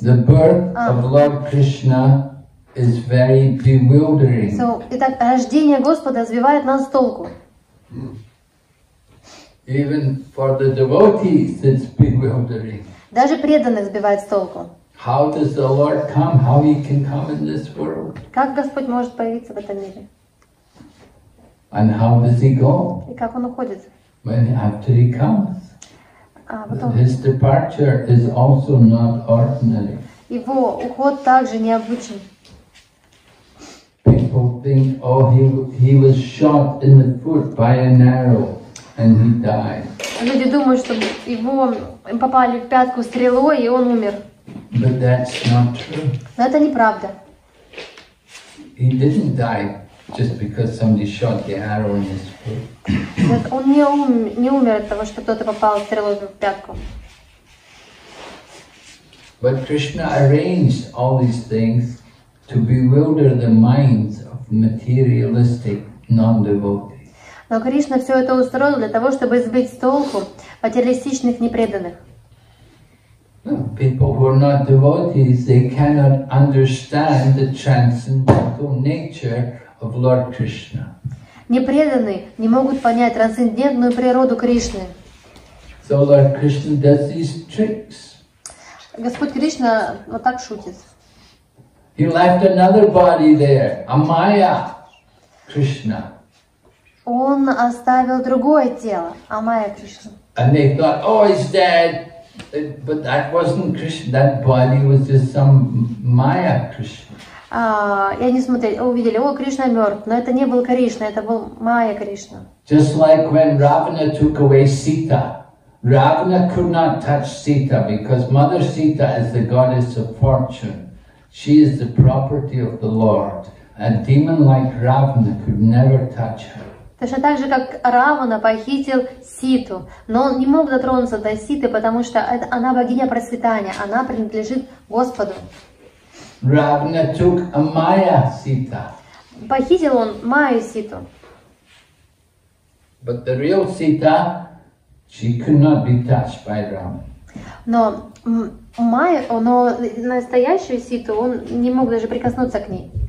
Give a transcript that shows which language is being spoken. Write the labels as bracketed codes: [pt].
[en] The birth of Lord Krishna is very bewildering. [ru] So, итак, рождение Господа сбивает нас с толку. [en] Even for the devotees, it's bewildering. [ru] Даже преданных сбивает с толку. [en] How does the Lord come? How he can come in this world? [ru] Как Господь может появиться в этом мире? [en] And how does he go? [ru] И как он уходит? [en] When after he comes. [ru] А потом. [en] His departure is also not ordinary. [ru] Его уход также необычен. [en] People think, oh, he was shot in the foot by an arrow, and he died. [ru] Люди думают, что его попали в пятку стрелой, и он умер. [en] But that's not true. [ru] Но это неправда. [en] He didn't die just because somebody shot the arrow in his foot. [ru] Так он не умер от того, что кто-то попал стрелой в пятку. [en] But Krishna arranged all these things to bewilder the minds of materialistic non-devotees. [ru] Но Кришна все это устроил для того, чтобы сбить с толку материалистичных непреданных. [en] People who are not devotees, they cannot understand the transcendental nature of Lord Krishna. [ru] Непреданные не могут понять трансцендентную природу Кришны. [en] So Lord Krishna does these tricks. [ru] Господь Кришна вот так шутит. [en] He left another body there, a Maya Krishna. [ru] Он оставил другое тело, а Майя Кришна. [en] And they thought, oh, he's dead. But that wasn't Krishna. That body was just some Maya Krishna. [ru] Я не смотрел, увидели, о, Кришна мертв, но это не был Кришна, это был Майя Кришна. [en] Just like when Ravana took away Sita, Ravana could not touch Sita because Mother Sita is the goddess of fortune. She is the property of the Lord. A demon like Ravana could never touch her. [ru] Точно так же, как Равана похитил Ситу, но он не мог дотронуться до Ситы, потому что это, она богиня процветания, она принадлежит Господу. [en] Равана took a Maya Sita. [ru] Похитил он Майю Ситу. [en] But the real Sita, she could not be touched by Ravana. [ru] Но Майя, но настоящую Ситу он не мог даже прикоснуться к ней.